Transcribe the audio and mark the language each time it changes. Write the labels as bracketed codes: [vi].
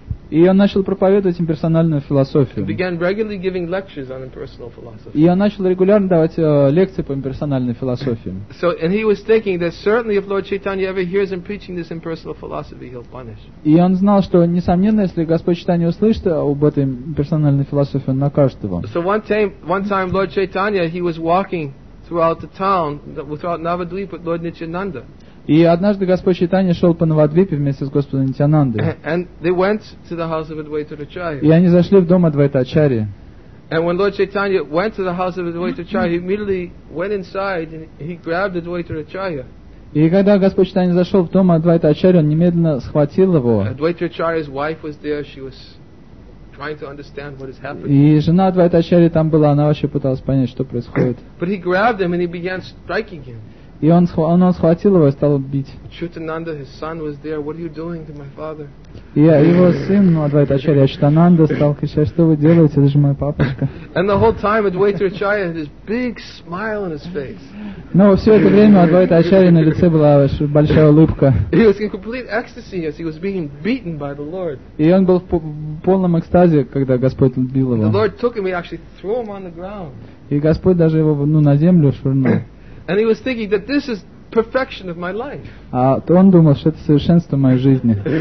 [ru] И он начал проповедовать имперсональную философию. [en] He began regularly giving lectures on impersonal philosophy. [ru] И он начал регулярно давать лекции по имперсональной философии. [en] So and he was thinking that certainly if Lord Chaitanya ever hears him preaching this impersonal philosophy, he'll punish. [ru] И он знал, что несомненно, если Господь Чайтанья услышит об этой имперсональной философии, он накажет его. [en] So one time Lord Chaitanya, he was walking throughout the town, throughout Navadvip with Lord Nityananda. [ru] И однажды Господь Чайтанья шел по Навадвипе вместе с Господом Нитянандой. [en] And they went to the house of Advaita Acharya. [ru] И они зашли в дом Адвайта Ачарьи. [en] And when Lord Chaitanya went to the house of Advaita Acharya, he immediately went inside and he grabbed Advaita Acharya. [ru] И когда Господь Чайтанья зашел в дом Адвайта Ачарьи, он немедленно схватил его. [en] Advaita Acharya's wife was there, she was trying to understand what is happening. [ru] И жена Адвайта Ачарьи там была, она вообще пыталась понять, что происходит. [en] But he grabbed him and he began striking him. [ru] И он схватил его и стал бить. [en] Chutananda, his son, was there. What are you doing to my father? [ru] Yeah, его сын, ну, Адвайта Ачарья, Чутананда, стал кричать, что вы делаете, это же мой папочка. [en] And the whole time Advaita Acharya had this big smile on his face. [ru] Но все это время Адвайта Ачарья на лице была большая улыбка. [en] He was in complete ecstasy as he was being beaten by the Lord. [ru] И он был в полном экстазе, когда Господь бил его. [en] The Lord took him and actually threw him on the ground. [ru] И Господь даже его, ну, на землю швырнул. [en] And he was thinking that this is perfection of my life. [ru] То он думал, что это совершенство моей жизни.